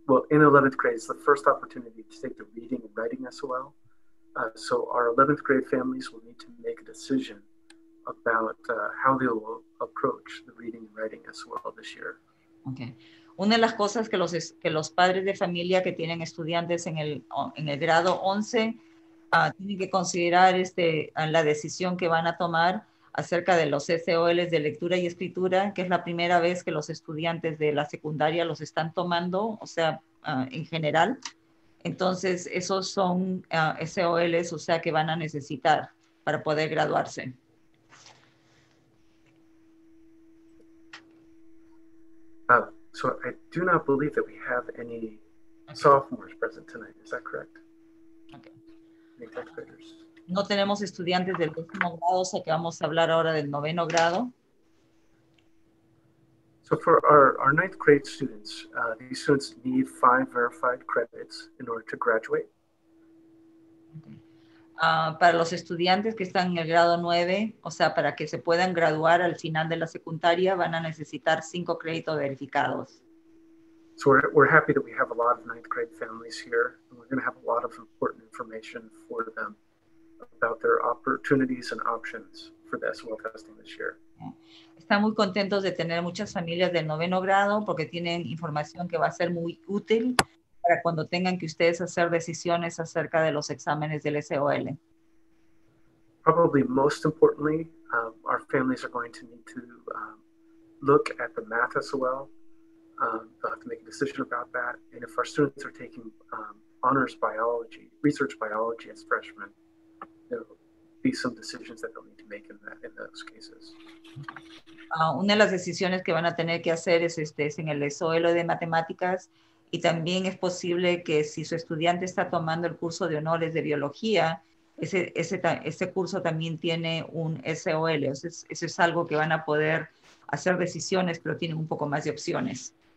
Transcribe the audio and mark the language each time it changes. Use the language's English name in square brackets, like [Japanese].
[English] In 11th grade is the first opportunity to take the reading and writing SOL. So our 11th grade families will need to make a decision about how they will approach the reading and writing SOL this year. Okay. [Spanish] Una de las cosas que los padres de familia que tienen estudiantes en el grado 11 tienen que considerar la decisión que van a tomar acerca de los SOLs de lectura y escritura, que es la primera vez que los estudiantes de la secundaria los están tomando, o sea, en general. Entonces, esos son SOLs, o sea, que van a necesitar para poder graduarse. [English] So I do not believe that we have any sophomores present tonight, is that correct? Okay. [Spanish] No tenemos estudiantes del 12º grado, o sea que vamos a hablar ahora del 9º grado. [English] So for our 9th grade students, these students need 5 verified credits in order to graduate. [Spanish] Para los estudiantes que están en el grado 9, o sea, para que se puedan graduar al final de la secundaria, van a necesitar 5 créditos verificados. [English] So we're happy that we have a lot of 9th grade families here, and we're going to have a lot of important information for them about their opportunities and options for the SOL testing this year. [Spanish] Están muy contentos de tener muchas familias del 9º grado porque tienen información que va a ser muy útil para cuando tengan que ustedes hacer decisiones acerca de los exámenes del SOL. [English] Probably most importantly, our families are going to need to look at the math as well. They'll have to make a decision about that. And if our students are taking honors biology, research biology as freshmen, there'll be some decisions that they'll need to make in those cases. [Spanish] Una de las decisiones que van a tener que hacer es en el SOL de matemáticas. Y también es posible que si su estudiante está tomando el curso de honores de biología, ese curso también tiene un SOL. Eso es algo que van a poder hacer decisiones, pero tienen un poco más de opciones.